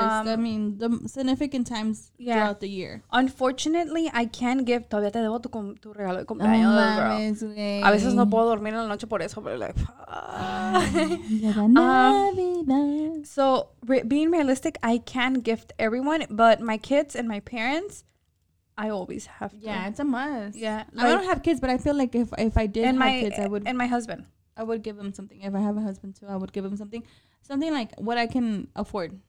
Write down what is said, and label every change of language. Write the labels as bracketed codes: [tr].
[en] I mean, the significant times throughout the year. Unfortunately, I can give. [es] Todavía te debo tu regalo de cumpleaños, bro. A veces no puedo dormir en la noche por eso, pero like. [en] So, being realistic, I can gift everyone, but my kids and my parents. I always have to. Yeah, it's a must. Yeah. Like, I don't have kids, but I feel like if I did have kids, I would. And my husband. I would give him something. If I have a husband, too, I would give him something. Something like what I can afford.